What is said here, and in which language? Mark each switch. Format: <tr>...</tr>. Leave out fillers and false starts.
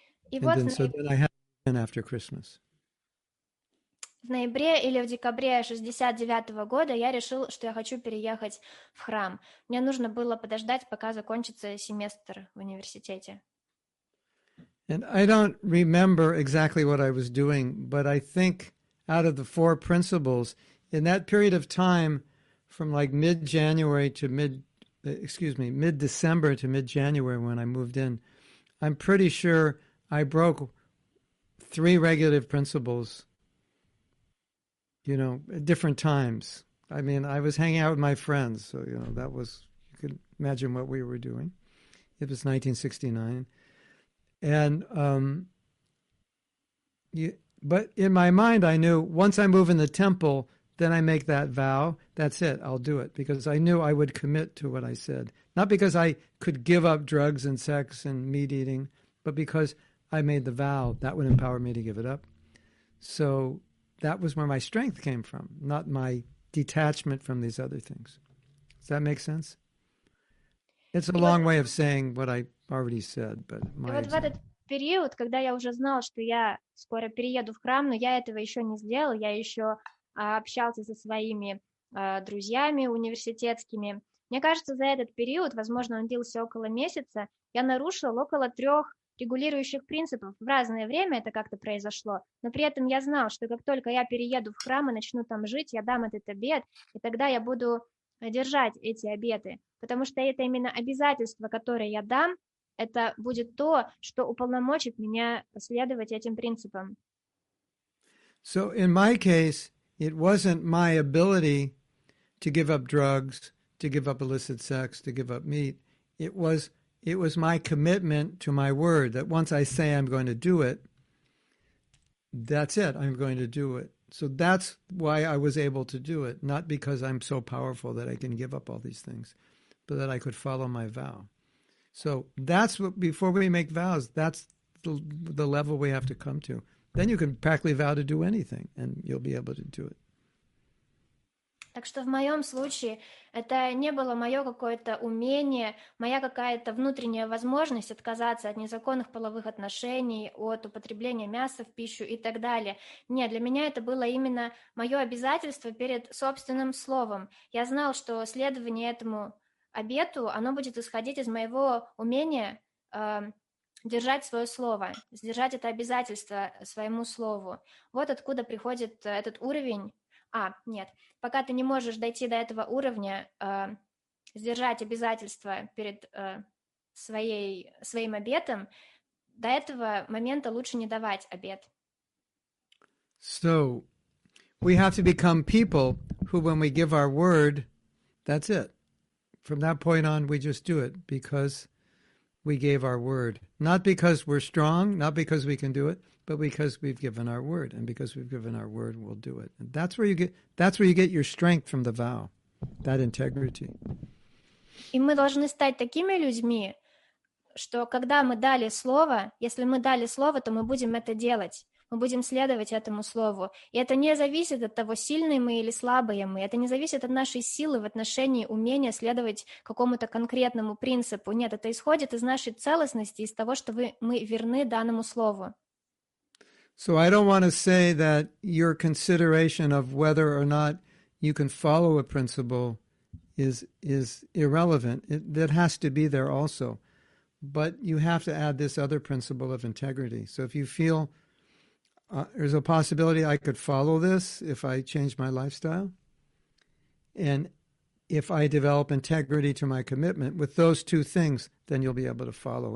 <en>Then I had to end after Christmas.</en> <ru>В ноябре или в декабре 69-го года я решил, что я хочу переехать в храм. Мне нужно было подождать, пока закончится семестр в университете.</ru> <en>And I don't remember exactly what I was doing, but I think out of the four principles, in that period of time, from like mid-December to mid-January when I moved in, I'm pretty sure I broke three regulative principles, you know, at different times. I mean, I was hanging out with my friends, so, you know, that was, you could imagine what we were doing. It was 1969. And but in my mind, I knew once I move in the temple, then I make that vow. That's it. I'll do it, because I knew I would commit to what I said. Not because I could give up drugs and sex and meat eating, but because I made the vow that would empower me to give it up. So that was where my strength came from, not my detachment from these other things. Does that make sense? It's a long way of saying what I already said, but my example.</en> <ru>И вот в этот период, когда я уже знал, что я скоро перееду в храм, но я этого еще не сделал, я еще общался со своими друзьями университетскими. Мне кажется, за этот период, возможно, он длился около месяца, я нарушил около трех регулирующих принципов. В разное время это как-то произошло, но при этом я знал, что как только я перееду в храм и начну там жить, я дам этот обет, и тогда я буду держать эти обеты, потому что это именно обязательство, которое я дам, это будет то, что уполномочит меня следовать этим принципам.</ru> <en>So in my case, it wasn't my ability to give up drugs, to give up illicit sex, to give up meat. It was my commitment to my word that once I say I'm going to do it, that's it, I'm going to do it. So that's why I was able to do it, not because I'm so powerful that I can give up all these things, but that I could follow my vow. So that's what, before we make vows, that's the level we have to come to. Then you can practically vow to do anything, and you'll be able to do it.</en> <ru>Так что в моем случае это не было мое какое-то умение, моя какая-то внутренняя возможность отказаться от незаконных половых отношений, от употребления мяса в пищу и так далее. Нет, для меня это было именно мое обязательство перед собственным словом. Я знал, что следование этому обету, оно будет исходить из моего умения держать свое слово, сдержать это обязательство своему слову. Вот откуда приходит этот уровень. А, нет, пока ты не можешь дойти до этого уровня, сдержать обязательства перед своим обетом, до этого момента лучше не давать обет.</ru> <en>So, we have to become people who, when we give our word, that's it. From that point on, we just do it because we gave our word. Not because we're strong, not because we can do it, but because we've given our word, and because we've given our word, we'll do it. And that's where you get your strength from, the vow, that integrity.</en> <ru>И мы должны стать такими людьми, что когда мы дали слово, если мы дали слово, то мы будем это делать. Мы будем следовать этому слову. И это не зависит от того, сильные мы или слабые мы. Это не зависит от нашей силы в отношении умения следовать какому-то конкретному принципу. Нет, это исходит из нашей целостности, из того, что мы верны данному слову.</ru> <en>So I don't want to say that your consideration of whether or not you can follow a principle is irrelevant. That has to be there also. But you have to add this other principle of integrity. So if you feel there's a possibility I could follow this if I change my lifestyle, and if I develop integrity to my commitment with those two things, then you'll be able to follow.</en>